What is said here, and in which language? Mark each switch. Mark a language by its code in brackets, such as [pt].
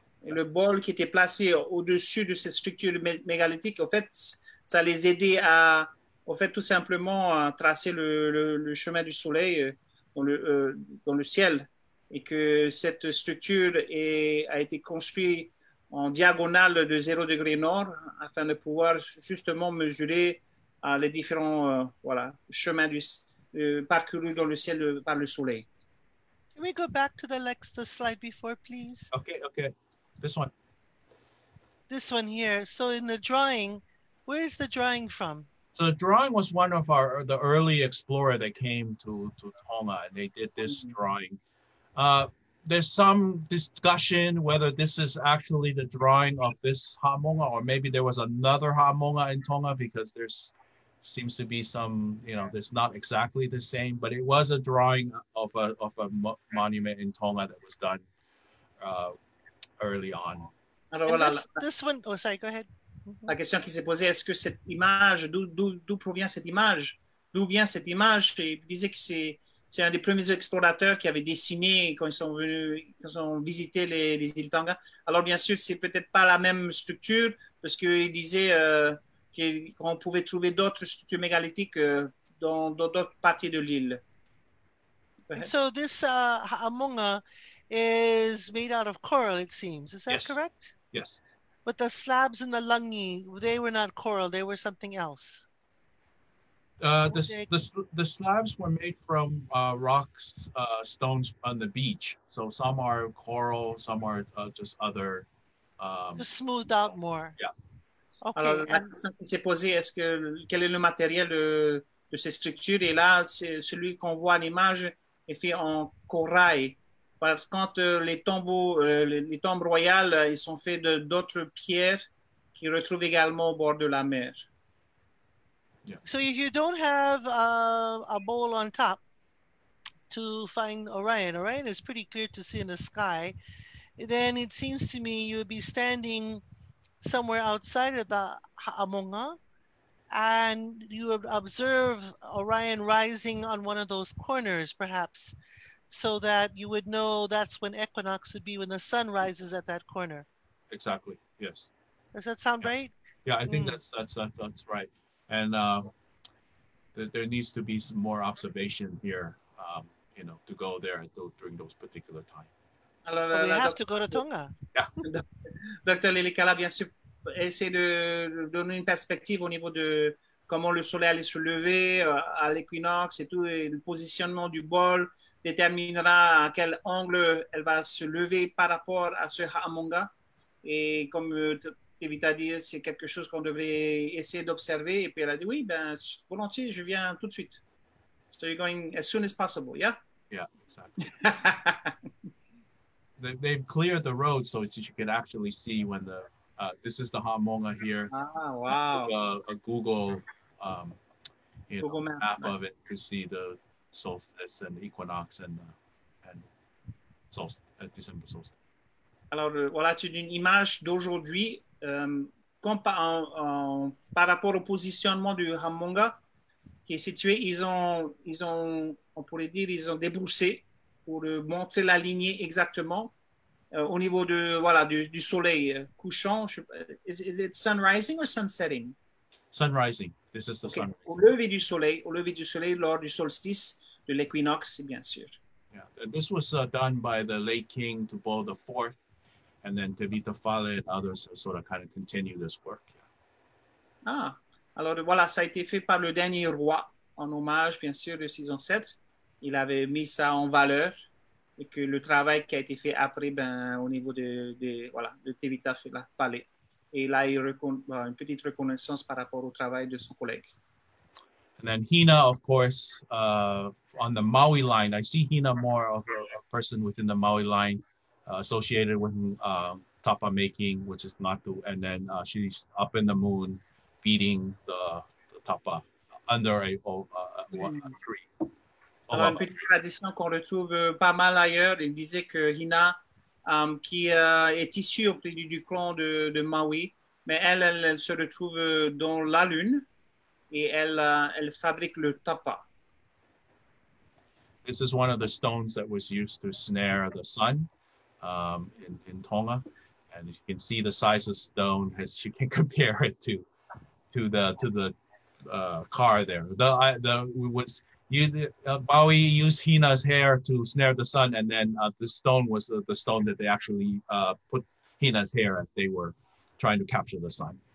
[fr] Le bol qui était placé au-dessus de cette structure mégalithique, en fait, ça les aidait à, en fait, tout simplement à tracer le chemin du soleil dans le ciel, et que cette structure a été construite en diagonale de 0 degré nord, afin de pouvoir justement mesurer les différents chemins parcourus dans le ciel par le soleil. [en] Can we go back to the slide before, please? Okay, this one. This one here. So in the drawing, where is the drawing from? So the drawing was one of the early explorer that came to Tonga, and they did this drawing. there's some discussion whether this is actually the drawing of this hāmonga, or maybe there was another hāmonga in Tonga, because there's seems to be some, you know, there's not exactly the same, but it was a drawing of a monument in Tonga that was done early on. This one, oh, sorry, go ahead. [fr] La question qui s'est posée, est-ce que cette image, d'où provient cette image? D'où vient cette image? Il disait que c'est un des premiers explorateurs qui avait dessiné quand ils sont venus, quand ils ont visité les îles Tonga. Alors, bien sûr, c'est peut-être pas la même structure, parce qu'il disait qu'on pouvait trouver d'autres structures mégalithiques dans d'autres parties de l'île. [en] So, this hāmonga is made out of coral, it seems. Is that yes. correct? Yes. But the slabs and the lungi, they were not coral, they were something else. The slabs were made from rocks, stones on the beach. So some are coral, some are just other. Just smoothed out more. Yeah. Okay. [fr] Alors, la question qui s'est posée, est-ce que quel est le matériel de ces structures? Et là, c'est celui qu'on voit à l'image est fait en corail. Parce que quand les tombes royales, ils sont faits de d'autres pierres qui retrouvent également au bord de la mer. [en] Yeah. So if you don't have a bowl on top to find Orion is pretty clear to see in the sky, then it seems to me you would be standing somewhere outside of the hāmonga, and you would observe Orion rising on one of those corners, perhaps, so that you would know that's when equinox would be, when the sun rises at that corner. Exactly, yes. Does that sound yeah. right? Yeah, I think that's right. And there needs to be some more observation here, you know, to go there during those particular time. Alors, well, we have to go to Tonga. Yeah. [fr] Dr. Lilikalā, bien sûr, essaie de donner une perspective au niveau de comment le soleil allait se lever à l'équinoxe et tout, et le positionnement du bol déterminera à quel angle elle va se lever par rapport à ce hāmonga. Et comme David a dit, c'est quelque chose qu'on devrait essayer d'observer. Et puis elle a dit, oui, ben, volontiers, je viens tout de suite. [en] So you're going as soon as possible, yeah? Yeah, exactly. they've cleared the road so that you can actually see when the... this is the hāmonga here. Ah, wow. A Google, Google map, of it to see the solstice and equinox and solstice, December solstice. [fr] Alors, voilà, c'est une image d'aujourd'hui. Par rapport au positionnement du hāmonga qui est situé, ils ont, on pourrait dire, ils ont débroussé pour montrer la lignée exactement au niveau de voilà du soleil couchant. [en] Is it sun rising or sun setting? Sun rising. This is the okay. sun. [fr] Au lever du soleil lors du solstice de l'équinoxe, bien sûr. [en] Yeah, this was done by the late king to Bouit the IV. And then Tevita Fale and others sort of kind of continue this work. Yeah. [fr] Ah, alors voilà, ça a été fait par le dernier roi en hommage, bien sûr, de saison 7. Il avait mis ça en valeur et que le travail qui a été fait après, ben, au niveau de Tevita Fale. Et là, il a une petite reconnaissance par rapport au travail de son collègue. [en] And then Hina, of course, on the Maui line. I see Hina more of a person within the Maui line. Associated with tapa making, which is natu, and then she's up in the moon beating the tapa under a tree. [fr] Alors, une petite tradition qu'on retrouve pas mal ailleurs. Il disait que Hina, qui est issue auprès du clan de Maui, mais elle se retrouve dans la lune et elle fabrique le tapa. [en] This is one of the stones that was used to snare the sun. In Tonga, and you can see the size of stone as you can compare it to the car there. Bouit used Hina's hair to snare the sun, and then the stone was the stone that they actually put Hina's hair as they were trying to capture the sun.